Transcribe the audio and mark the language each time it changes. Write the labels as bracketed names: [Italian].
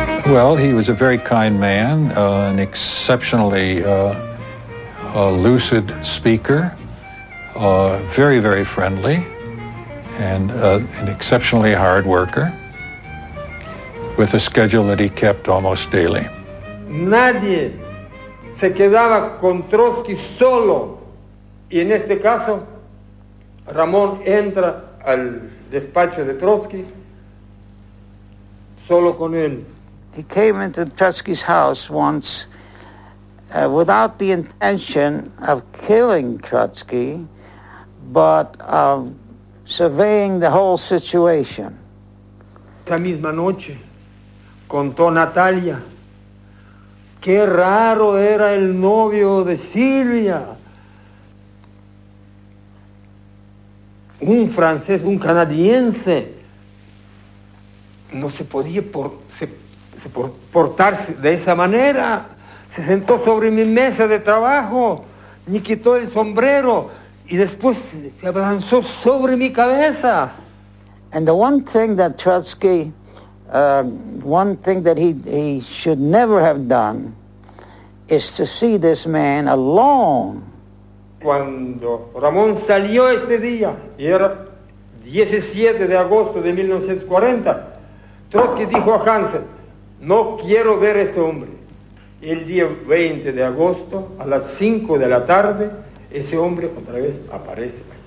[English] Well, he was a very kind man, an exceptionally lucid speaker, very, very friendly, and an exceptionally hard worker, with a schedule that he kept almost daily. [Spanish] Nadie se quedaba con Trotsky solo. Y en este caso, Ramón entra al despacho de Trotsky solo con él. [English] He came into Trotsky's house once without the intention of killing Trotsky, but of surveying the whole situation. [Spanish] Esa misma noche contó Natalia qué raro era el novio de Silvia. Un francés, un canadiense. No se podía portarse de esa manera. Se sentó sobre mi mesa de trabajo, ni quitó el sombrero, y después se abalanzó sobre mi cabeza. [English] And the one thing that Trotsky, one thing that he should never have done, is to see this man alone. [Spanish] Cuando Ramón salió este día, y era 17 de agosto de 1940, Trotsky dijo a Hansen, no quiero ver a este hombre. El día 20 de agosto, a las 5 de la tarde, ese hombre otra vez aparece.